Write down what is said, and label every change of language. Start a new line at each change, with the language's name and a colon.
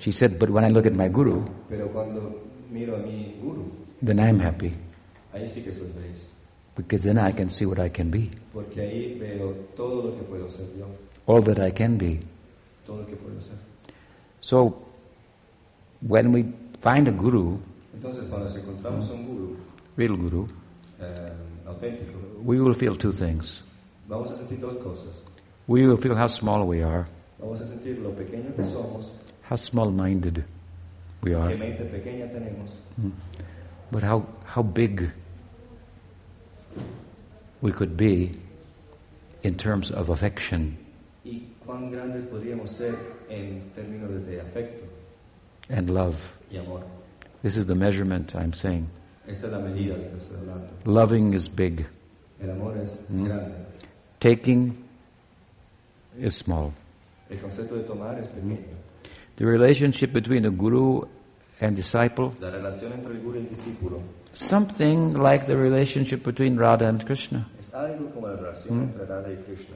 English: She said, but when I look at my guru,
Spanish: pero cuando miro a mi guru,
English: then I'm happy.
Spanish: Ahí sí que soy feliz.
English: Because then I can see what I can be.
Spanish: Porque ahí veo todo lo que puedo ser yo.
English: All that I can be.
Spanish: Todo lo que puedo ser.
English: So, when we find a guru,
Spanish: entonces, cuando nos encontramos un guru,
English: real guru,
Spanish: auténtico,
English: we will feel two things.
Spanish: Vamos a sentir dos cosas.
English: We will feel how small we are.
Spanish: Vamos a sentir lo pequeño que somos.
English: How small-minded we are.
Spanish: Qué mente pequeña tenemos. Mm.
English: But how big we could be in terms of affection.
Spanish: Y cuán grandes podríamos ser en términos de afecto.
English: And love.
Spanish: Y amor.
English: This is the measurement I'm saying.
Spanish: Esta es la medida que estoy hablando.
English: Loving is big.
Spanish: El amor es grande.
English: Taking is small.
Spanish: El concepto de tomar es pequeño.
English: The relationship between the guru and disciple,
Spanish: la relación entre el guru y el discípulo,
English: something like the relationship between Radha and Krishna.
Spanish: Es algo como la relación entre Radha y Krishna.